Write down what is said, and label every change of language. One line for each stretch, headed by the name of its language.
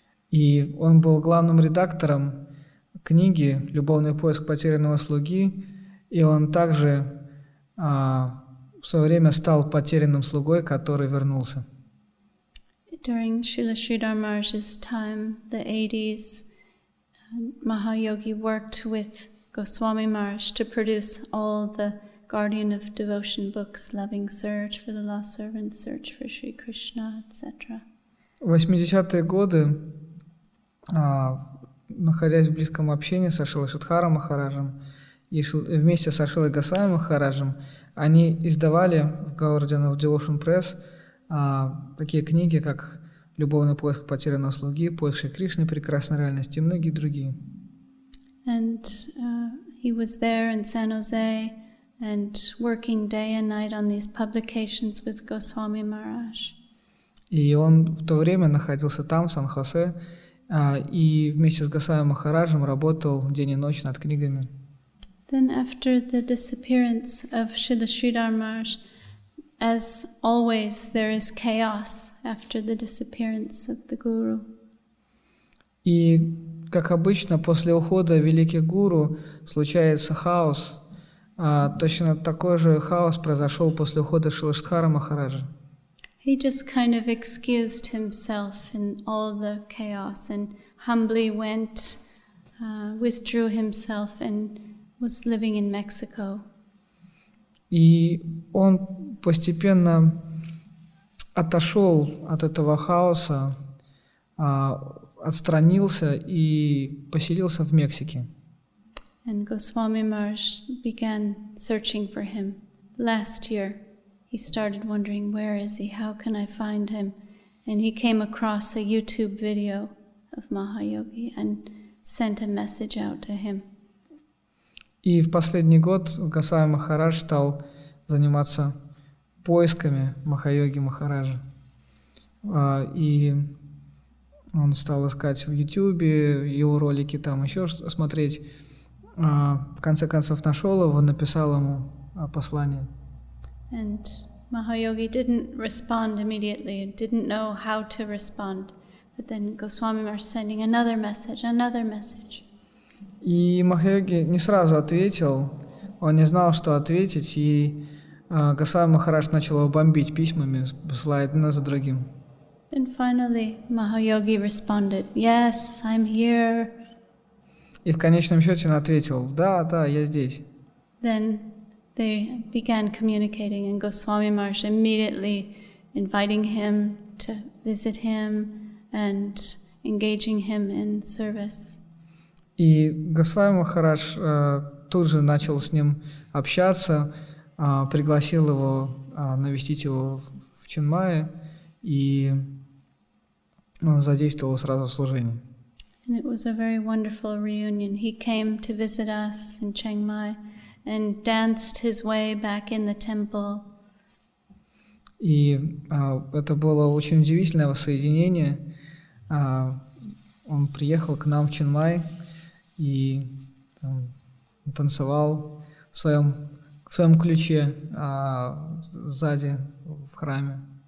Russian: И он был главным редактором книги «Любовный поиск потерянного слуги», и он также в свое время стал потерянным слугой, который вернулся.
English: During Srila Sridhar Maharaj's time, the 80s, Mahayogi worked with Goswami Maharaj to produce all the Guardian of Devotion books, Loving Search for the Lost Servant, Search for Sri Krishna, etc.
Russian: В 80-е годы, находясь в близком общении со Шиладхаром Махараджем, И вместе с Ашилой Госвами Махараджем они издавали в Guardian of Devotion Press такие книги, как «Любовный поиск потерянного слуги», «Поиск Шри Кришны, прекрасная реальность» и многие другие.
English: And he was there in San Jose and working day and night on these publications with Goswami Maharaj.
Russian: И он в то время находился там, в Сан-Хосе, и вместе с Госвами Махараджем работал день и ночь над книгами.
English: Then after the disappearance of Srila Sridhar Maharaj, as always, there is chaos after the disappearance of the Guru.
Russian: И как обычно, после ухода великих гуру случается хаос. Точно такой же хаос произошел после ухода Шиладхара Махараджа.
English: He just kind of excused himself in all the chaos and humbly went, withdrew himself and was living in Mexico.
Russian: И он постепенно отошел от этого хаоса, отстранился и поселился в Мексике.
English: And Goswami Maharaj began searching for him. Last year, he started wondering, where is he? How can I find him? And he came across a YouTube video of Mahayogi and sent a message out to him.
Russian: И в последний год Госвами Махарадж стал заниматься поисками Махайоги Махараджа. И он стал искать в YouTube его ролики, там еще смотреть. В конце концов нашел его, написал ему послание.
English: And Mahayogi didn't respond immediately, didn't know how to respond. But then Goswami Maharaj sending another message, another message.
Russian: И Махайоги не сразу ответил, он не знал, что ответить, и Госвами Махарадж начал его бомбить письмами, посылая одно за другим.
English: And finally, Mahayogi responded, "Yes, I'm here."
Russian: И в конечном счете он ответил, "Да, да, я здесь."
English: Then they began communicating, and Goswami Maharaj immediately inviting him to visit him and engaging him in service.
Russian: И Госвами Махарадж тут же начал с ним общаться, пригласил его навестить его в Чинмае и задействовал сразу в служении.
English: And it was a very wonderful reunion. He came to visit us in Chiang Mai and danced his way back in the temple.
Russian: И это было очень удивительное воссоединение. Он приехал к нам в Чинг Май и танцевал в своем ключе сзади в храме.